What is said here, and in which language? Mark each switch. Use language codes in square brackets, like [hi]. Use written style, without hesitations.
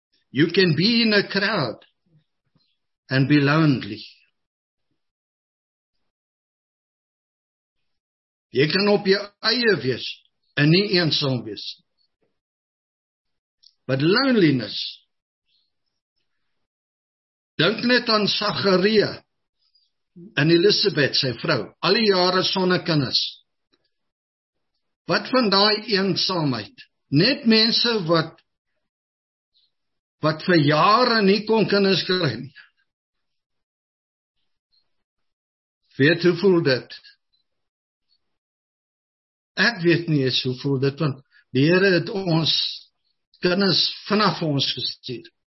[en] You can be in a crowd and be lonely. [af] Jy kan op jou eie wees en nie eensaam wees. [en] But loneliness. [af] Dink net aan Sagaria en Elisabeth, sy vrou, al die jare sonder kinders. Wat van daai eensaamheid? Net mense wat vir jare nie kon kinders kry nie. Weet hoe voel dit? Ek weet nie eens hoe voel dit, want die Here het ons kinders vanaf ons gestuur.